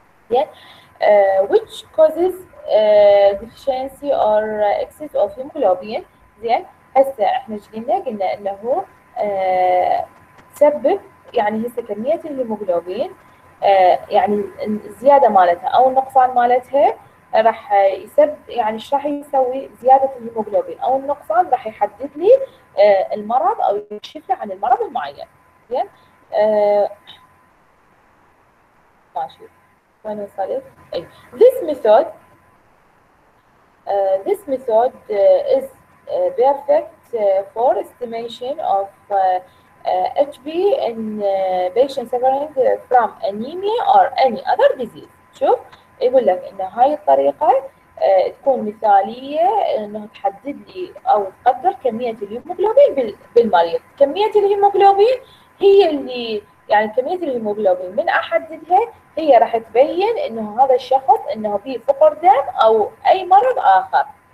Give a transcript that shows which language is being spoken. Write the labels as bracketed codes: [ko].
[ar] زين [en] which causes deficiency or excess of hemoglobin [ar] زين، هسه احنا ايش قلنا؟ قلنا انه تسبب يعني هسه كميه الهيموجلوبين يعني الزياده مالتها او النقصان مالتها راح يسبب، يعني ايش راح يسوي؟ زياده الهيموجلوبين او النقصان راح يحدد لي المرض او يكشف لي عن المرض المعين زين. ماشي وين وصلت؟ اي [en] this method this method is perfect for estimation of HB in patients suffering from anemia or any other disease. [ar] شوف يقول لك ان هاي الطريقه تكون مثاليه انه تحدد لي او تقدر كميه الهيموجلوبين بالمريض، كميه الهيموجلوبين هي اللي يعني كميه الهيموجلوبين من احددها هي راح تبين انه هذا الشخص انه فيه فقر دم او اي مرض اخر.